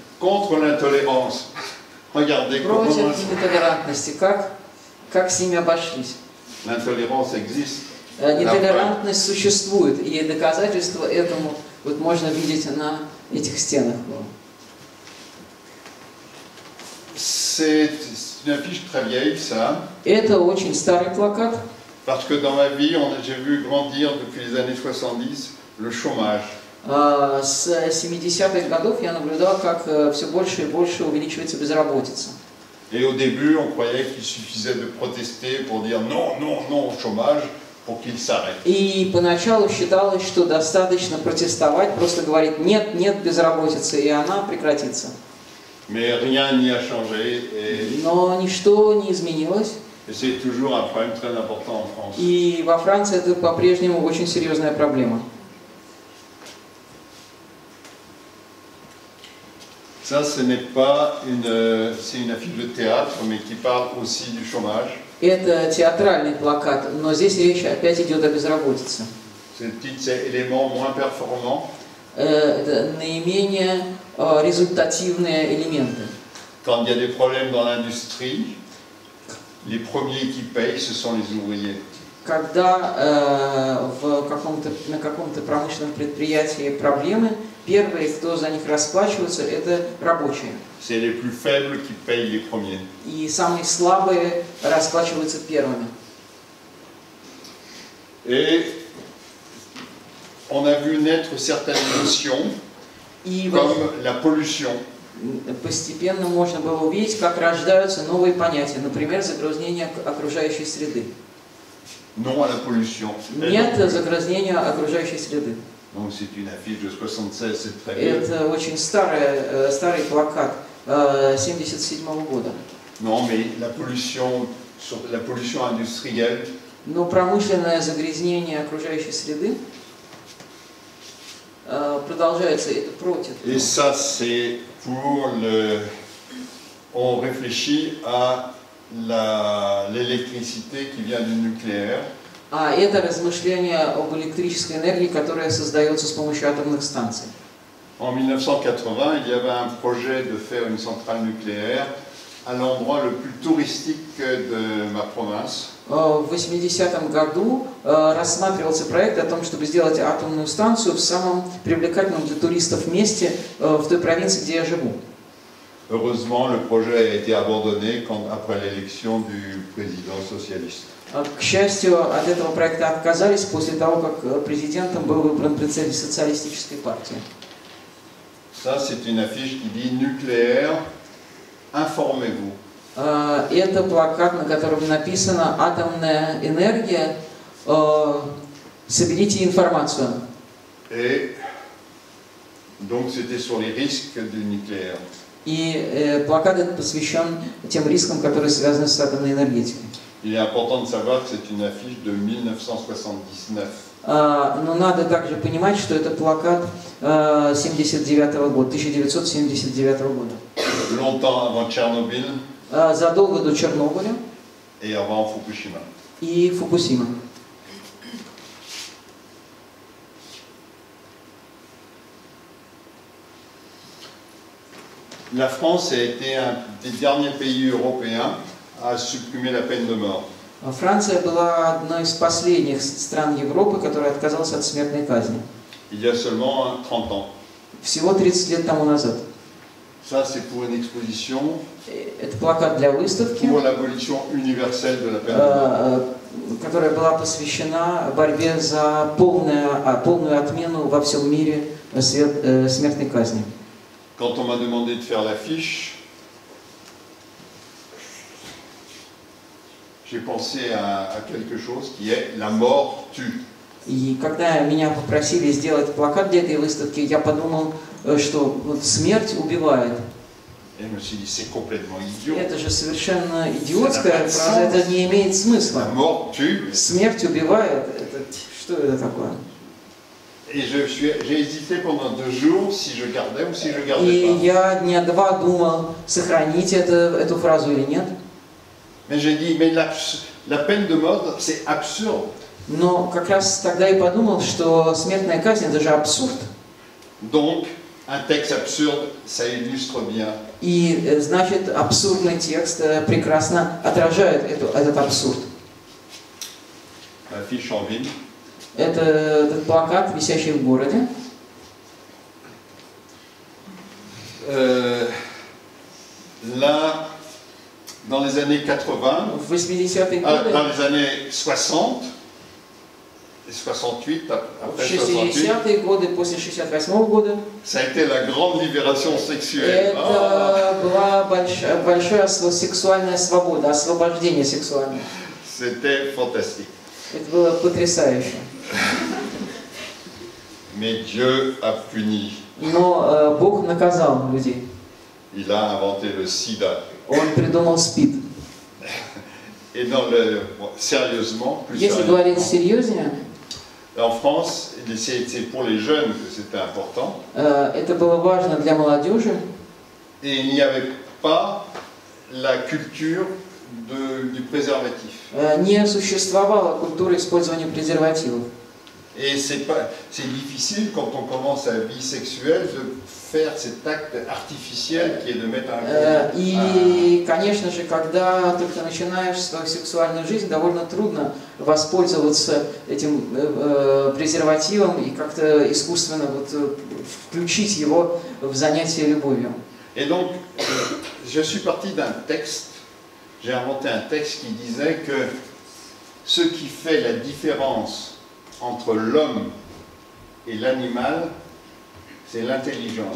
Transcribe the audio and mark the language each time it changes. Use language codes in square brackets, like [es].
[fr] Contre la tolérance. Regardez [ru] против [fr] comment... [ru] нетолерантности. Как с ними обошлись? [fr] L'intolérance existe. [ru] Нетолерантность существует, и доказательство этому вот можно видеть на этих стенах. [fr] C'est une affiche très vieille, ça. [ru] Это очень старый плакат. [fr] Parce que dans ma vie, j'ai vu grandir depuis les années 70 le chômage. [ru] С 70-х годов я наблюдал, как все больше и больше увеличивается безработица. [fr] Et au début, on croyait qu'il suffisait de protester pour dire non, non, non au chômage pour qu'il s'arrête. [ru] И поначалу считалось, что достаточно протестовать, просто говорить нет, нет безработицы, и она прекратится. [fr] Mais rien n'y a changé. [ru] Но ничто не изменилось. [fr] Et c'est toujours un problème très important en France. [ru] И во Франции это по-прежнему очень серьезная проблема. [fr] Ça, ce n'est pas c'est une affiche de théâtre, mais qui parle aussi du chômage. [ru] Это театральный плакат, но здесь речь опять идет о безработице. [fr] C'est le titre, c'est élément moins performant. [ru] Наименее результативные элементы. [fr] Quand il y a des problèmes dans l'industrie, les premiers qui payent, ce sont les ouvriers. [ru] Когда на каком-то промышленном предприятии проблемы, первые, кто за них расплачивается, это рабочие. [fr] C'est les plus faibles qui payent les premiers. [ru] И самые слабые расплачиваются первыми. [fr] Et on a vu naître certaines notions, comme la pollution. [ru] Постепенно можно было увидеть, как рождаются новые понятия, например, загрязнение окружающей среды. [fr] Non à la pollution. [ru] Нет загрязнения окружающей среды. [fr] Donc c'est une affiche de 76, c'est très bien. [ru] Это очень старый плакат, 77 года. [fr] Non, mais la pollution sur la pollution industrielle. [ru] Но промышленное загрязнение окружающей среды продолжается. Это против. [fr] Et ça c'est pour le on réfléchit à la l'électricité qui vient du nucléaire. [ru] А это размышление об электрической энергии, которая создается с помощью атомных станций. [fr] En 1980, il y avait un projet de faire une centrale nucléaire à l'endroit le plus touristique de ma province. [ru] В 80-м году рассматривался проект о том, чтобы сделать атомную станцию в самом привлекательном для туристов месте в той провинции, где я живу. [fr] Heureusement, le projet a été abandonné quand, après l'élection du président socialiste. [ru] К счастью, от этого проекта отказались после того, как президентом был выбран председатель социалистической партии. [fr] Ça, c'est une affiche qui dit nucléaire. Informez-vous. [ru] Это плакат, на котором написано «Атомная энергия». Соберите информацию. [fr] Et donc c'était sur les risques du nucléaire. [ru] И плакат этот посвящен тем рискам, которые связаны с атомной энергетикой. [fr] Il est important de savoir que c'est une affiche de 1979. [ru] Но надо также понимать, что это плакат 1979 года. [fr] Longtemps avant Tchernobyl. [ru] Задолго до Чернобыля. [fr] Et avant Fukushima. [ru] И Фукусима. [fr] La France a été un des derniers pays européens à supprimer la peine de mort. [ru] Франция была одной из последних стран Европы, которая отказалась от смертной казни. [fr] Il y a seulement 30 ans. [ru] Всего 30 лет тому назад. [fr] Ça, c'est pour une exposition. [ru] Это плакат для выставки. [fr] Pour l'abolition universelle de la peine de mort. [ru] Которая была посвящена борьбе за полную отмену во всем мире смертной казни. [fr] Quand on m'a demandé de faire l'affiche, j'ai pensé à quelque chose qui est la mort tue. [ru] И когда меня попросили сделать плакат для этой выставки, я подумал, что вот смерть убивает. [fr] Et je me suis dit, c'est complètement idiot. [ru] Это же совершенно идиотская фраза, это не имеет смысла. [fr] La mort tue. [ru] Смерть убивает. Это, что это такое? [fr] Et j'ai hésité pendant deux jours si je gardais ou si je gardais [ru] и [fr] pas. [ru] И я дня два думал сохранить эту фразу или нет. [fr] Mais j'ai dit, mais la peine de mort, c'est absurde. [ru] Но как раз тогда и подумал, что смертная казнь это же абсурд. [fr] Donc, un texte absurde, ça illustre bien. [ru] И значит, абсурдный текст прекрасно отражает этот абсурд. [fr] Affiche en ville. [ru] Это этот плакат, висящий в городе. [fr] Là, dans les années 80, [ru] в 80-е годы, [fr] dans les années 60, 68, après 68, [ru] 60-е годы, после 68-го года, [fr] ça a été la grande libération sexuelle. [ru] Это была большая сексуальная свобода, освобождение сексуальное. [fr] C'était fantastique. [ru] Это было потрясающе. [fr] Mais Dieu a puni. [ru] Но Бог наказал людей. [fr] Il a inventé le sida. [ru] Он придумал СПИД. [fr] Et dans le sérieusement, plus [ru] если [fr] sérieusement, [ru] говорить серьезнее, [fr] en France, c'est pour les jeunes que c'était important. [ru] Это было важно для молодежи. [fr] Et il n'y avait pas la culture du préservatif. [ru] Не существовало культуры использования презервативов. [fr] Et c'est difficile quand on commence la vie sexuelle de faire cet acte artificiel qui est de mettre un condom. [ru] И, конечно же, когда только начинаешь свою сексуальную жизнь, довольно трудно воспользоваться этим презервативом и как-то искусственно вот включить его в занятие любовью. [fr] Et donc, je suis parti d'un texte. J'ai inventé un texte qui disait que ce qui fait la différence entre l'homme et l'animal, c'est l'intelligence.